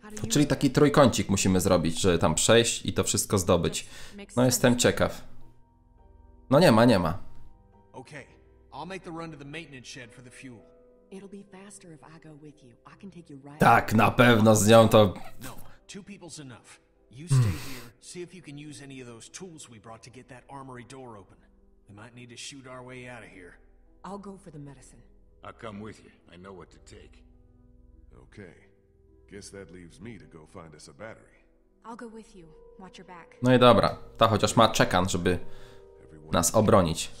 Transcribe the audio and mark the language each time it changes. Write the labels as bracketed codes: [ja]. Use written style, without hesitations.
[pl] Czyli taki trójkącik musimy zrobić, żeby tam przejść i to wszystko zdobyć. No jestem ciekaw. No nie ma, nie ma. [en] Okay, I'll make the run to the maintenance shed for the fuel. It'll be faster if I go with you. I can take you right. [pl] Tak, na pewno z nią to. [en] No, two people's enough. You stay here, see if you can use any of those tools we brought to get that armory door open. We might need to shoot our way out of here. I'll go for the medicine. I'll come with you. I know what to take. Okay. Guess that leaves me to go find us a battery. I'll go with you. Watch your back. [pl] No i dobra. Ta chociaż ma czekan, żeby nas obronić.